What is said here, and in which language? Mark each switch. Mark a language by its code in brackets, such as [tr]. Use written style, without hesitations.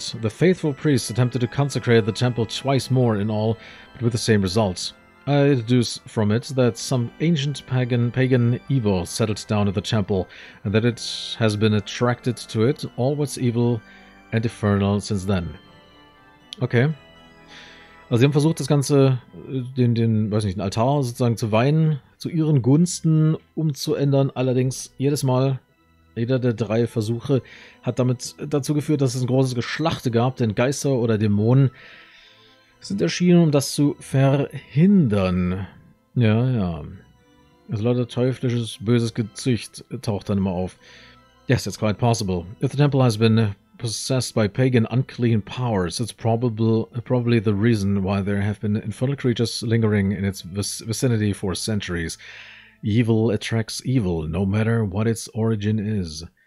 [en] The faithful priests attempted to consecrate the temple twice more in all, but with the same results. I deduce from it that some ancient pagan evil settled down at the temple, and that it has been attracted to it, all what's evil and infernal since then. Okay. [de] Also sie haben versucht, das Ganze, weiß nicht, den Altar sozusagen zu weihen, zu ihren Gunsten umzuändern. Allerdings jedes Mal, jeder der drei Versuche, hat damit dazu geführt, dass es ein großes Geschlachte gab, denn Geister oder Dämonen sind erschienen, um das zu verhindern. Ja. Also lauter teuflisches, böses Gezücht taucht dann immer auf. [en] Yes, it's quite possible. If the temple has been possessed by pagan unclean powers, it's probably the reason why there have been infernal creatures lingering in its vicinity for centuries. Evil attracts evil, no matter what its origin is.